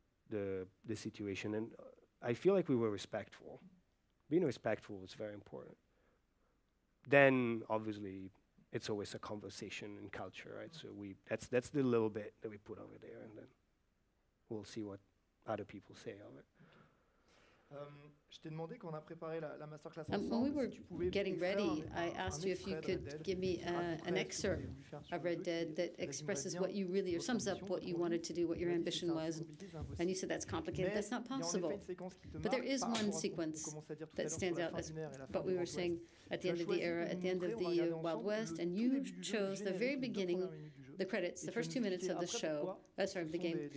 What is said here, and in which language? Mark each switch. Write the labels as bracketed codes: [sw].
[en] the situation, and I feel like we were respectful. Being respectful was very important. Then, obviously, it's always a conversation and culture, right? So that's the little bit that we put over there, and then we'll see what other people say of it. [fr] Je t'ai demandé quand on a préparé la masterclass ensemble. [en] When we were getting ready, I asked you if you could give me an excerpt of Red Dead that expresses what you really, or sums up what you wanted to do, what your ambition was. And you said that's complicated. That's not possible. But there is one sequence that stands out as what we were saying at the end of the era, at the end of the Wild West, and you chose the very beginning, the credits, the first 2 minutes of the show, sorry, of the game.